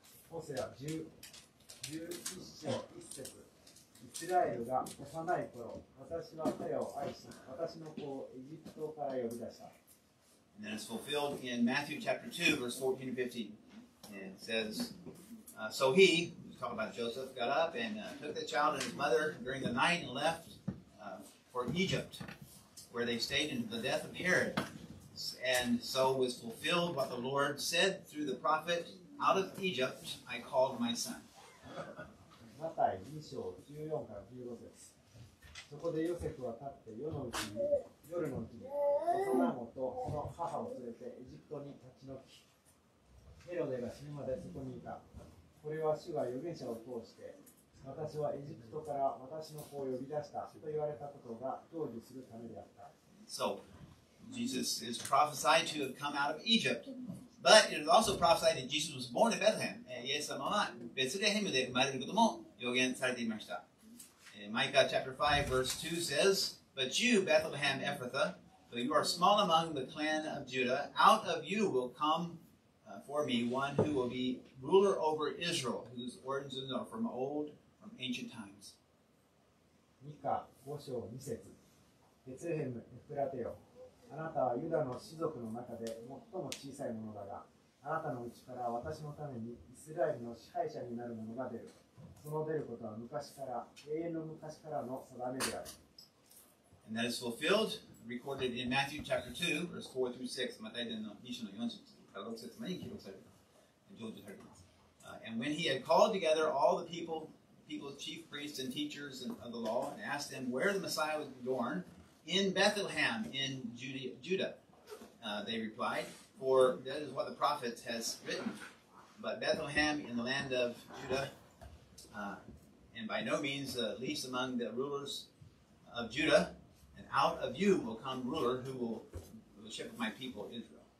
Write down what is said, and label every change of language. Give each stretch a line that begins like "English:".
Japanese: ホセア11章1節、イスラエルが幼い頃、私は彼を愛し、私の子をエジプトから呼び出した。
English: And then it's fulfilled in Matthew chapter 2, verse 14 and 15. And it says, So he, we're talking about Joseph, got up and took the child and his mother during the night and left for Egypt, where they stayed until the death of Herod. And so was fulfilled what the Lord said through the prophet,Out of Egypt, I called my son.
Japanese: マタイ2章14から15節。そこでヨセフは立って夜のうちに、幼子とその母を連れてエジプトに立ち退き、ヘロデが死ぬまでそこにいた。これは主が預言者を通して、私はエジプトから私の子を呼び出したと言われたことが成就するためであった。
English: So, Jesus is prophesied to have come out of Egypt. But it is also prophesied that Jesus was born in Bethlehem.
Japanese: イエス様はベツレヘムで生まれることも予言されていました。
English: Micah chapter 5 verse 2 says, But you, Bethlehem Ephrathah, though you are small among the clan of Judah, out of you will come for me one who will be ruler over Israel, whose origins are from old, from ancient times.
Japanese: Micah 5 章2節。ベツレヘムエフラテよ。あなたはユダの氏族の中で最も小さいものだが、あなたのうちから私のためにイスラエルの支配者になるものが出る。その出ることは昔から、永遠の昔からの定めである。
English: And that is fulfilled, recorded in Matthew chapter 2, verse 4 through 6.
Japanese: マタイでの2章の4節から6節まで記録された。成就されています。
English: And when he had called together all the people's chief priests and teachers of the law, and asked them where the Messiah was born,In Bethlehem, in Judah, they replied, for that is what the prophet has written. But Bethlehem in the land of Judah, and by no means the least among the rulers of Judah, and out of you will come ruler who will shepherd my people Israel.